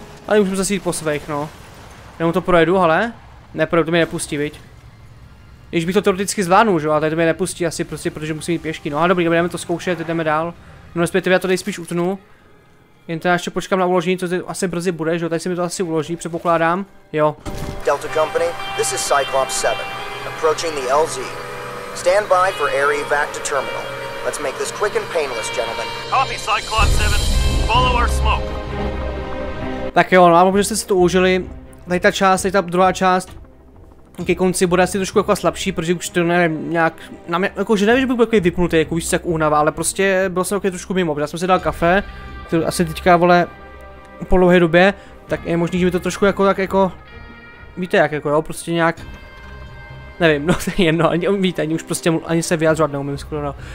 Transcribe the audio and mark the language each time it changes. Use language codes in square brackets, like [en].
[cs] Ale můžu zase jít po svých, no. Nebo to projedu, ale? Ne, projedu, to mě nepustí, viď? Když bych to teoreticky zvládnul, že jo, ale tady to mě nepustí asi prostě, protože musím jít pěšky. No a dobrý, jdeme to zkoušet, jdeme dál. No respektive já to nejspíš utnu. Jen teda ještě počkám na uložení, to asi brzy bude, že jo, tady se mi to asi uloží, předpokládám. Jo. [en] Delta Company, this is Cyclops 7. Approaching the LZ. Stand by for air evac to terminal. Let's make this quick and painless, gentlemen. Copy, Cyclops 7. Follow our smoke. [cs] Tak jo, no a protože jste si to užili, tady ta část, tady ta druhá část ke konci bude asi trošku jako slabší, protože už to nevím, nějak, na mě, jako že nevím, že bych byl takový vypnutý, jako víš, jak únava, ale prostě byl jsem takový trošku mimo, protože já jsem si dal kafe, to asi teďka, vole, po dlouhé době, tak je možný, že by to trošku jako tak jako, víte jak, jako jo, prostě nějak, nevím, no to je jedno, ani, víte, ani už prostě ani se vyjadřovat neumím skoro, no.